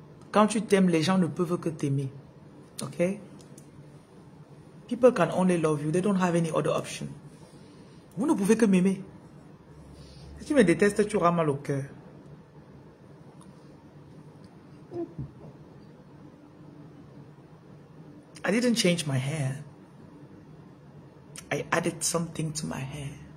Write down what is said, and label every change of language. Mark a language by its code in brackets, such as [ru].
[fr] Quand tu t'aimes, les gens ne peuvent que t'aimer. OK? [en] People can only love you. They don't have any other option. [fr] Vous ne pouvez que m'aimer. Si tu me détestes, tu auras mal au cœur. [en] I didn't change my hair. I added something to my hair.